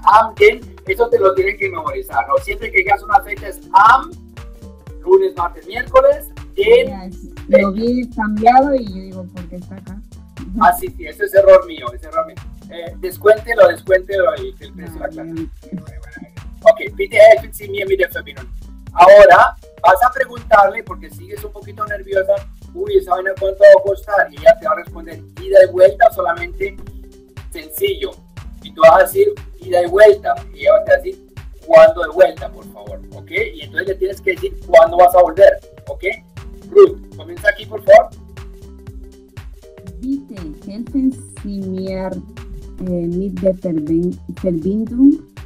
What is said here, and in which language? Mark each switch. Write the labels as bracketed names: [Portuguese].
[Spanish] Am den, eso te lo tienen que memorizar, ¿no? Siempre que hagas una fecha es am, lunes, martes, miércoles, den. [English] Yes. [Spanish] Lo vi cambiado y yo digo, ¿por qué está acá? Ah, sí, sí, eso es error mío, es error mío. Descuéntelo y el precio de la clase. [German] Ok, bitte helfen Sie mir mit der Verbindung. [Spanish] Ahora vas a preguntarle, porque sigues un poquito nerviosa, uy, esa vaina cuánto va a costar, y ella te va a responder ida y vuelta, solamente sencillo. Y tú vas a decir ida y vuelta, y ella va a decir cuándo de vuelta, por favor, ¿ok? Y entonces le tienes que decir cuándo vas a volver, ¿ok? Ruth, comienza aquí, por favor. [German] Bitte helfen Sie mir mit der Verbindung.